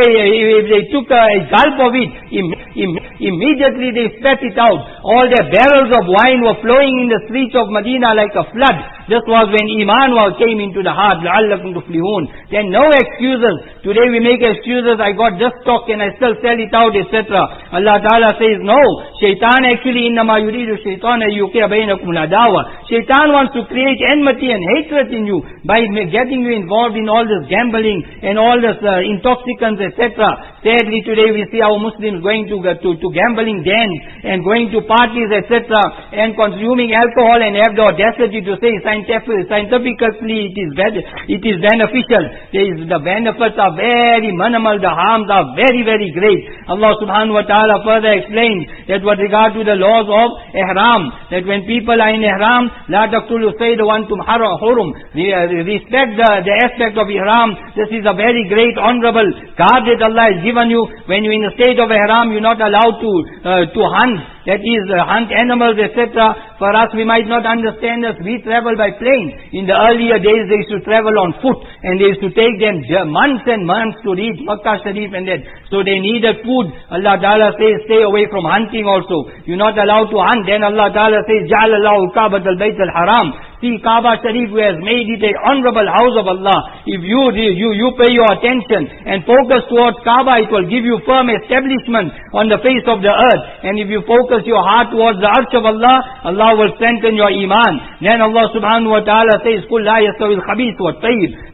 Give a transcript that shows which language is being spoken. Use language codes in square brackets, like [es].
[en] If they took a gulp of it, immediately they spat it out. All their barrels of wine were flowing in the streets of Medina like a flood. This was when iman came into the heart. [ar] لَعَلَّكُمْ تُفْلِحُونَ. [en] Then no excuses. Today we make excuses. I got this stock and I still sell it out, etc. Allah Ta'ala says, no. [ar] Shaitan actually, إِنَّمَا يُرِيدُ الشَّيْطَانَ يُقِيَ بَيْنَكُمْ الْعَدَاوَةَ. [en] Shaitan wants to create enmity and hatred in you by getting you involved in all this gambling and all this intoxicants, etc. Sadly, today we see our Muslims going to gambling dens and going to parties, etc. and consuming alcohol and have the audacity to say scientifically it is beneficial. The benefits are very minimal, the harms are very, very great. Allah subhanahu wa ta'ala further explained that with regard to the laws of ihram, that when people are in ihram, [ar] la taqtulu sayyida wa antum hurum, [en] respect the aspect of ihram. This is a very great honorable guard that Allah has given you. When you're in a state of ihram, you're not allowed to hunt, that is hunt animals, etc. For us, we might not understand this. We travel by plane. In the earlier days, they used to travel on foot, and they used to take them months and months to reach Makkah Sharif, and then so they needed food. Allah Ta'ala says, stay away from hunting also. You're not allowed to hunt. [ar] Then Allah Ta'ala says, جَعَلَ اللَّهُ الْكَابَةَ الْبَيْتَ الْحَرَامِ. [en] See, Kaaba Sharif, who has made it a honorable house of Allah. If you pay your attention and focus towards Kaaba, it will give you firm establishment on the face of the earth. And if you focus your heart towards the arch of Allah, Allah will strengthen your iman. Then Allah subhanahu wa ta'ala says, [ar] قُلْ لَا يَسْتَوِي الْخَبِيثُ وَالطَّيِّبُ.